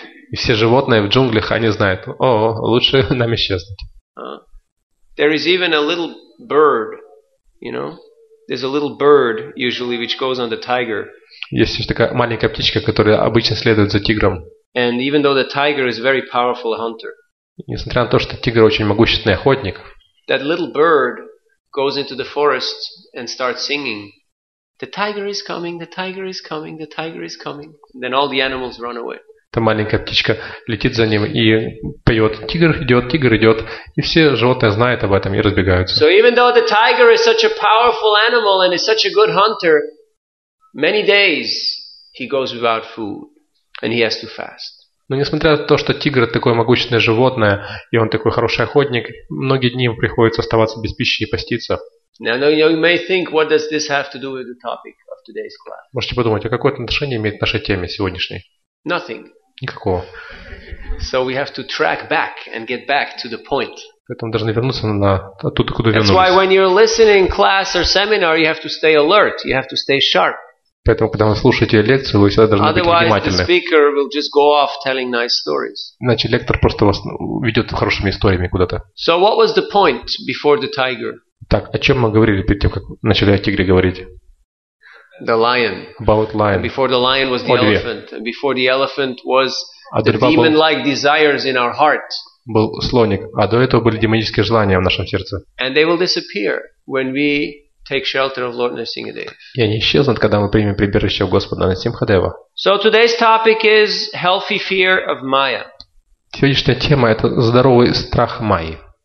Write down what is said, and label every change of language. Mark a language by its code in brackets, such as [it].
[ru] И все животные в джунглях, они знают. О, лучше нам исчезнуть. [en] There is even a little bird, you know. There's a little bird usually which goes on the tiger. [ru] Есть еще такая маленькая птичка, которая обычно следует за тигром. [en] And even though the tiger is a very powerful hunter. [ru] Несмотря на то, что тигр очень могущественный охотник. [en] That little bird goes into the forest and starts singing. The tiger is coming, the tiger is coming, the tiger is coming. And then all the animals run away. [ru] Эта маленькая птичка летит за ним и поет тигр идет, и все животные знают об этом и разбегаются. [en] So even though the tiger is such a powerful animal and is such a good hunter, many days he goes without food and he has to fast. [ru] Но несмотря на то, что тигр такое могущественное животное и он такой хороший охотник, многие дни ему приходится оставаться без пищи и поститься. [en] Now you may think, what does this have to do with the topic of today's class? [ru] Можете подумать, а какое это отношение имеет к нашей теме сегодняшней? [en] Nothing. [ru] Никакого. [en] So we have to track back and get back to the point. [ru] Поэтому должны вернуться на оттуда, куда вернулись. [en] That's why when you're listening class or seminar, you have to stay alert, you have to stay sharp. [ru] Поэтому, когда вы слушаете лекцию, вы всегда должны [en] Otherwise, [ru] быть внимательны. [en] The speaker will just go off telling nice stories. [ru] Иначе лектор просто вас ведет хорошими историями куда-то. [en] So what was the point before the tiger? [ru] Так, о чем мы говорили перед тем, как начали о тигре говорить? [en] The lion. About lion. Before the lion was the elephant. Before the elephant was the demon-like desires in our heart. [ru] Был слоник, а до этого были демонические желания в нашем сердце. [en] And they will disappear when we take shelter of Lord Narsingadev. [ru] И они исчезнут, когда мы примем прибежище у Господа Нарсимхадева. [en] So today's topic is healthy fear of Maya. [ru] Сегодняшняя тема это здоровый страх Майи.